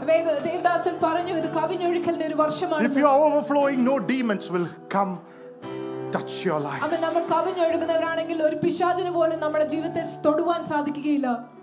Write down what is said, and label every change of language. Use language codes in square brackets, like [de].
[ml] ദേവദാസൻ പറഞ്ഞു ഇത് കവിഞ്ഞൊഴുകുന്ന ഒരു വർഷമാണ്. [en] If you are overflowing, no demons will come touch your life. [ml] അപ്പോൾ നമ്മൾ കവിഞ്ഞൊഴുകുന്നവരാണെങ്കിൽ ഒരു പിശാചിനെ പോലും നമ്മുടെ ജീവിതത്തെ തൊടുവാൻ സാധിക്കുകയില്ല.